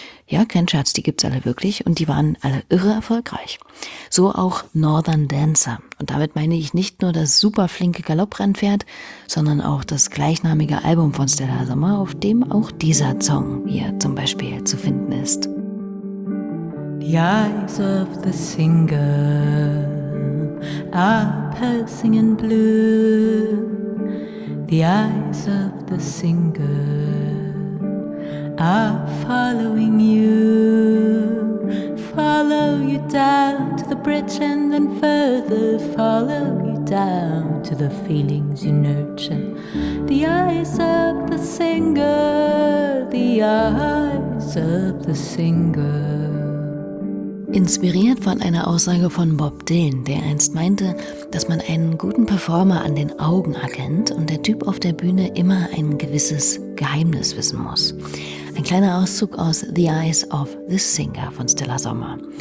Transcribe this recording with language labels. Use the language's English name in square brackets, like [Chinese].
[German] Ja, kein Scherz, die gibt's alle wirklich und die waren alle irre erfolgreich. So auch Northern Dancer. Und damit meine ich nicht nur das super flinke Galopprennpferd, sondern auch das gleichnamige Album von Stella Sommer, auf dem auch dieser Song hier zum Beispiel zu finden ist. [English] The eyes of the singer are piercing and blue. The eyes of the singer are following you. Follow you down to the bridge and then further. Follow you down to the feelings you nurture. The eyes of the singer, the eyes of the singer. [German] Inspiriert von einer Aussage von Bob Dylan, der einst meinte, dass man einen guten Performer an den Augen erkennt und der Typ auf der Bühne immer ein gewisses Geheimnis wissen muss. Ein kleiner Auszug aus The Eyes of the Singer von Stella Sommer.